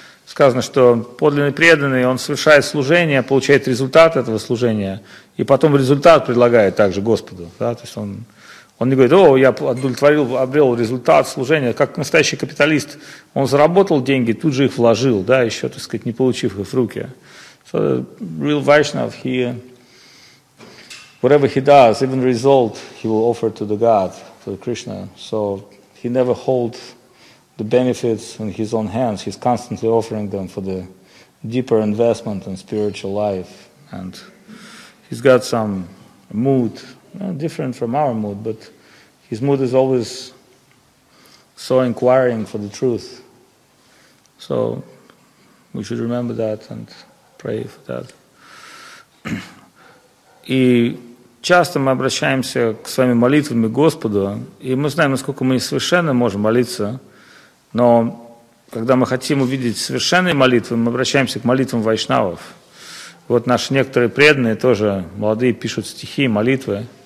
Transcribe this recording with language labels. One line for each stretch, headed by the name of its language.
Russian: Сказано, что подлинный преданный, он совершает служение, получает результат этого служения, и потом результат предлагает также Господу. Да? То есть он не говорит, о, я удовлетворил, обрел результат служения, как настоящий капиталист. Он заработал деньги, тут же их вложил, да, еще, так сказать, не получив их в руки.
English: So, real Vaishnav, he, whatever he does, even result, he will offer to the God, to the Krishna. So, he never holds the benefits in his own hands. He's constantly offering them for the deeper investment in spiritual life. And he's got some mood, different from our mood, but his mood is always so inquiring for the truth. So, we should remember that and pray for that.
Russian: И часто мы обращаемся к своими молитвами к Господу, и мы знаем, насколько мы несовершенны можем молиться, но когда мы хотим увидеть совершенные молитвы, мы обращаемся к молитвам вайшнавов. Вот наши некоторые преданные тоже, молодые, пишут стихи, молитвы.